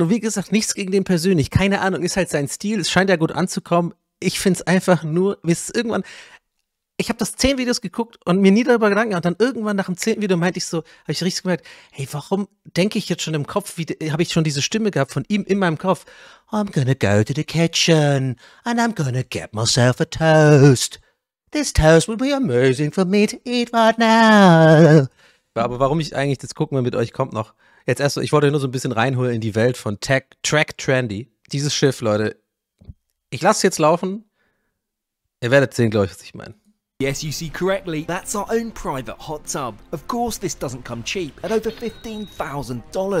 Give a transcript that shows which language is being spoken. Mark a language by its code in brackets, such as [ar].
[de] Und wie gesagt, nichts gegen den persönlich. Keine Ahnung, ist halt sein Stil. Es scheint ja gut anzukommen. Ich finde es einfach nur... irgendwann. Ich habe das 10 Videos geguckt und mir nie darüber Gedanken. Und dann irgendwann nach dem 10. Video meinte ich so, habe ich richtig gemerkt, hey, warum denke ich jetzt schon im Kopf, habe ich schon diese Stimme gehabt von ihm in meinem Kopf? [en] I'm gonna go to the kitchen and I'm gonna get myself a toast. This toast will be amazing for me to eat right now. [de] Aber warum ich eigentlich das gucken will mit euch, kommt noch. Jetzt erst so, ich wollte nur so ein bisschen reinholen in die Welt von Tech, Track Trendy. Dieses Schiff, Leute, ich lasse es jetzt laufen. Ihr werdet sehen, glaube ich, was ich meine. [en] Yes, you see correctly, that's our own private hot tub. Of course, this doesn't come cheap, at over $15,000.